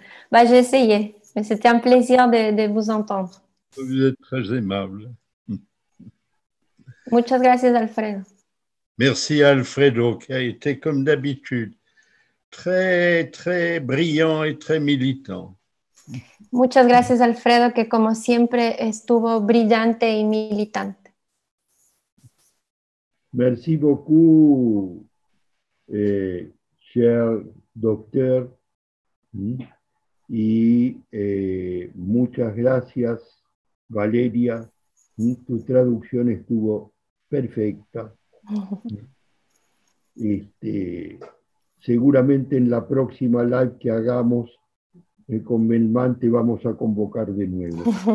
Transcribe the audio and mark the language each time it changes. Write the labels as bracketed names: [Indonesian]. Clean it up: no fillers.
[French] Bah, j'ai essayé, mais c'était un plaisir de vous entendre. Vous êtes très aimable. [Spanish] Muchas gracias, Alfredo. [French] Merci, Alfredo, qui a été, comme d'habitude, très, très brillant et très militant. [Spanish] Muchas gracias, Alfredo, que como siempre estuvo brillante y militante. [French] Merci beaucoup, cher docteur. [Spanish] Y muchas gracias, Valeria. Tu traducción estuvo perfecta. Seguramente en la próxima live que hagamos con Melman te vamos a convocar de nuevo.